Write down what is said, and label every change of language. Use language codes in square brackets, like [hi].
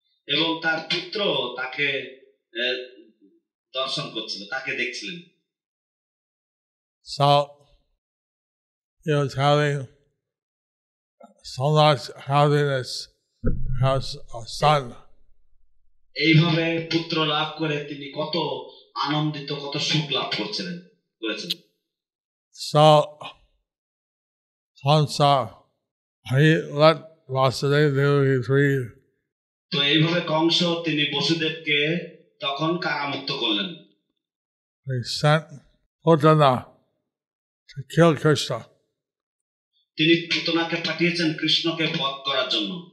[bn] Ebong tar putro take darshan korchilo, take dekhchilen. [en] So, he was having so much happiness as a son. [bn] এইভাবে পুত্র লাভ করে তিনি কত আনন্দিত কত সুখ লাভ করছিলেন করেছেন [en] So, Kamsa, he let Vasudeva Devaki free. [bn] তো এইভাবে কংস তিনি বসুদেবকে তখন কারামুক্ত করলেন [en] He sent Putana to kill Krishna. [bn] তিনি পুতনাকে পাঠিয়েছেন কৃষ্ণকে বধ করার জন্য